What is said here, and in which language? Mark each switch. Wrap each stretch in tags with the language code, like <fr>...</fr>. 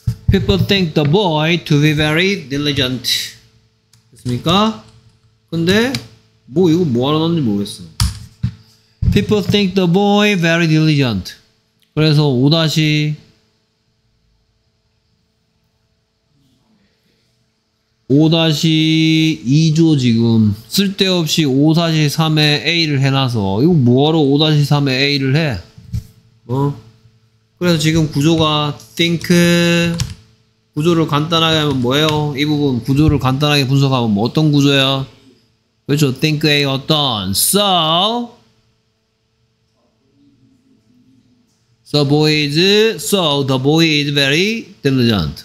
<en>People think the boy to be very diligent.</en> <ko>됐습니까? 근데 뭐 이거 뭐 하러 넣는지 모르겠어.</ko> <en>People think the boy very diligent.</en> <ko>그래서 5-. 5-2죠 지금. 쓸데없이 5-3에 A를 해놔서 이거 뭐하러 5-3에 A를 해? 어? 그래서 지금 구조가 think 구조를 간단하게 하면 뭐예요? 이 부분 구조를 간단하게 분석하면 뭐 어떤 구조예요? 그렇죠.</ko> <en>Think A</en> <ko>어떤</ko> <en>So The boy is So the boy is very diligent.</en>